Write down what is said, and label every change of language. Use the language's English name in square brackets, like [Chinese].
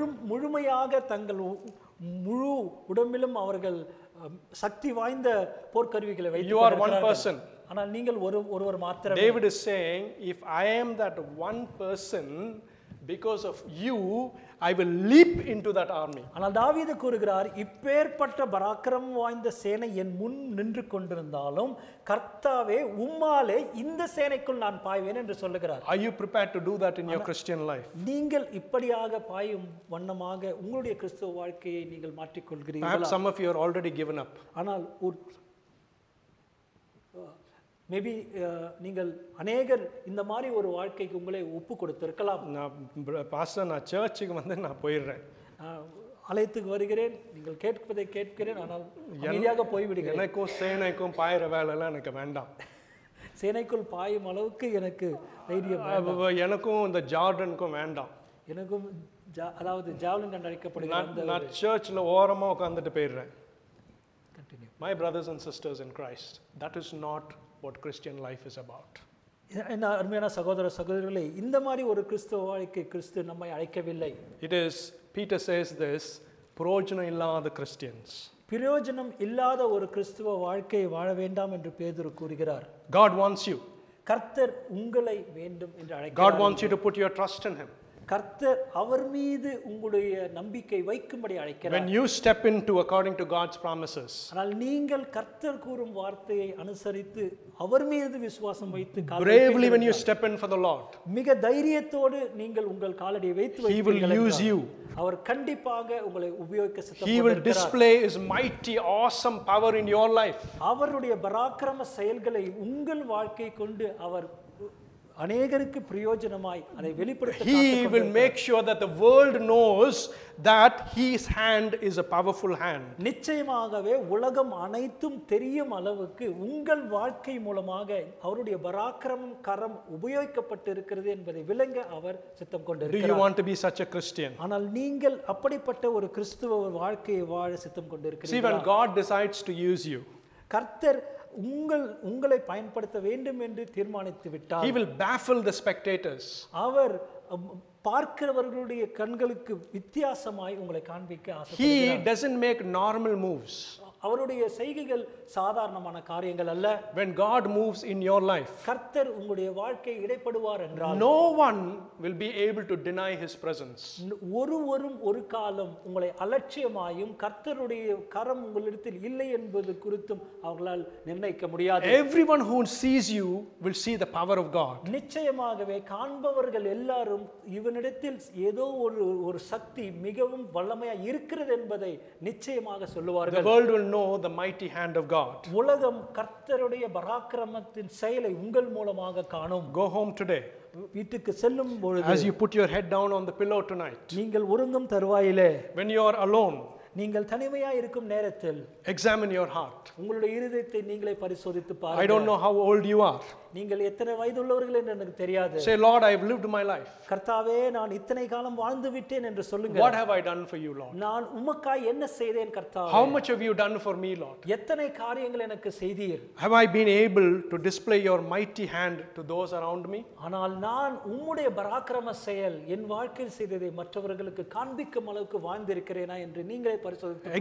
[Tamil] முழுமையாக தங்கள் முழு உடம்பிலும் அவர்கள் சக்தி வாய்ந்த போர்க்கருவிகளை வைத்து. [English] You are one person. [Tamil] ஆனால் நீங்கள் ஒரு ஒருவர் மாத்திரமே. [English] David is saying, if I am that one person, because of you, I will leap into that army. [Tamil] ஆனால் தாவீது கூறுகிறார், இப்பேற்பட்ட பராக்கிரமம் வாய்ந்த சேனை என் முன் நின்று கொண்டிருந்தாலும் கர்த்தாவே உம்மாலே இந்த சேனைக்குள் நான் பாய்வேன் என்று சொல்லுகிறார். [English] Are you prepared to do that in your Christian life? [Tamil] நீங்கள் இப்படியாக பாயும் வண்ணமாக உங்களுடைய கிறிஸ்துவ வாழ்க்கையை நீங்கள் மாற்றிக் கொள்கிறீர்களா? [English] Perhaps some of you are already given up. [Tamil] ஆனால் மேபி நீங்கள் அநேகர் இந்த மாதிரி ஒரு வாழ்க்கைக்கு உங்களை ஒப்பு கொடுத்திருக்கலாம். நான் பாஸ்டர், நான் சர்ச்சுக்கு வந்து நான் போயிடுறேன். ஆலயத்துக்கு வருகிறேன், நீங்கள் கேட்பதை கேட்கிறேன், ஆனால் அமைதியாக போய்விடுகிறேன். எனக்கும் சேனைக்கும் பாயிற வேலைலாம் எனக்கு வேண்டாம். சேனைக்குள் பாயும் அளவுக்கு எனக்கு தைரியம். எனக்கும் இந்த ஜார்டனுக்கும் வேண்டாம். எனக்கும் அதாவது ஜாவலின் என்று அழைக்கப்படுகிறேன். நான் சர்ச்சில் ஓரமாக உட்காந்துட்டு போயிடுறேன். [English] continue. My brothers and sisters in Christ, that is not what Christian life is about. [Tamil] அருமையான சகோதர சகோதரிகளே, இந்த மாதிரி ஒரு கிறிஸ்துவ வாழ்க்கை கிறிஸ்து நம்மை அழைக்கவில்லை. [English] It is, Peter says this, [Tamil] பிரயோஜனம் இல்லாத கிறிஸ்டியன்ஸ். பிரயோஜனம் இல்லாத ஒரு கிறிஸ்துவ வாழ்க்கையை வாழ வேண்டாம் என்று பேதுரு கூறுகிறார். [English] God wants you. [Tamil] கர்த்தர் உங்களை வேண்டும் என்று அழைக்கிறார். [English] God wants you to put your trust in him. [Tamil] கர்த்தர் அவர் மீது உங்களுடைய நம்பிக்கை வைக்கும்படி அழைக்கிறார். [English] When you step into according to God's promises. [Tamil] ஆனால் நீங்கள் கர்த்தர் கூறும் வார்த்தையை அனுசரித்து அவர் மீது விசுவாசம் வைத்து [English] bravely when you step in for the Lord. [Tamil] மிக தைரியத்தோடு நீங்கள் உங்கள் காலடியை வைத்து வைப்பீர்கள். [English] He will use you. [Tamil] அவர் கண்டிப்பாக உங்களை உபயோகிக்க சித்தப்பட்டிருக்கிறார். [English] He will display his mighty awesome power in your life. [Tamil] அவருடைய பராக்கிரம செயல்களை உங்கள் வாழ்க்கை கொண்டு அவர் அநேகருக்கு பிரயோஜனமாய் அதை வெளிப்படுத்த காத்துக்கொண்டிருக்கிறார். [English] He will make sure that the world knows that his hand is a powerful hand. [Tamil] நிச்சயமாகவே உலகம் அனைத்தும் தெரியும் அளவுக்கு உங்கள் வாழ்க்கை மூலமாக அவருடைய பராக்கிரமம் கரம் உபயோகிக்கப்பட்டிருக்கிறது என்பதை விளங்க அவர் சித்தம் கொண்டிருக்கிறார். [English] Do you want to be such a Christian? [Tamil] ஆனால் நீங்கள் அப்படிப்பட்ட ஒரு கிறிஸ்துவ வாழ்க்கையை வாழ சித்தம் கொண்டிருக்கிறீர்களா? [English] See, when God decides to use you. [Tamil] கர்த்தர் உங்களை பயன்படுத்த வேண்டும் என்று தீர்மானித்து விட்டார். [English] He will baffle the spectators. [Tamil] அவர் பார்க்கிறவர்களுடைய கண்களுக்கு வித்தியாசமாய் உங்களை காண்பிக்க ஆசைப்படுகிறார். [English] He doesn't make normal moves. [Tamil] அவருடைய செய்கைகள் சாதாரணமான காரியங்கள் அல்ல. [English] When God moves in your life, [Tamil] கர்த்தர் உங்களுடைய வாழ்க்கையை இடைப்படுவார் என்றால் [English] no one will be able to deny his presence. [Tamil] ஒருவரும் ஒரு காலம் உங்களை அலட்சியமாயும் கர்த்தருடைய கரம் உங்களிடத்தில் இல்லை என்பது குறித்தும் அவர்களால் நிர்ணயிக்க முடியாது. [English] Everyone who sees you will see the power of God. [Tamil] நிச்சயமாகவே காண்பவர்கள் எல்லாரும் இவனிடத்தில் ஏதோ ஒரு சக்தி மிகவும் வல்லமையாக இருக்கிறது என்பதை நிச்சயமாக சொல்லுவார்கள். [English] Will know the mighty hand of God. [Tamil] உலகம் கர்த்தருடைய பராக்கிரமத்தின் செயலை உங்கள் மூலமாக காணும். [English] Go home today. [Tamil] வீட்டுக்கு செல்லும் பொழுது [English] as you put your head down on the pillow tonight. [Tamil] நீங்கள் உறங்கும் தருவாயிலே [English] when you are alone. [Tamil] நீங்கள் தனிமையா இருக்கும் நேரத்தில் [English] examine your heart. [Tamil] உங்களுடைய இருதயத்தை நீங்களே பரிசோதித்து பாருங்கள். [English] I don't know how old you are. [Tamil] நீங்கள் எத்தனை வயதுள்ளவர்கள் என்று எனக்கு தெரியாது. [English] Say Lord, I have lived my life. [Tamil] கர்த்தாவே, நான் இத்தனை காலம் வாழ்ந்து விட்டேன் என்று சொல்லுங்கள். [English] What have I done for you, Lord? [Tamil] நான் உமக்காய் என்ன செய்தேன் கர்த்தாவே? [English] How much have you done for me, Lord? [Tamil] எத்தனை காரியங்களை எனக்கு செய்தீர்? [English] Have I been able to display your mighty hand to those around me? [Tamil] ஆனால் நான் உம்முடைய பராக்கிரம செயல் என் வாழ்க்கையில் செய்ததை மற்றவர்களுக்கு காண்பிக்கும் அளவுக்கு வாழ்ந்திருக்கிறேனா என்று நீங்களே பரிசோதித்து பாருங்க.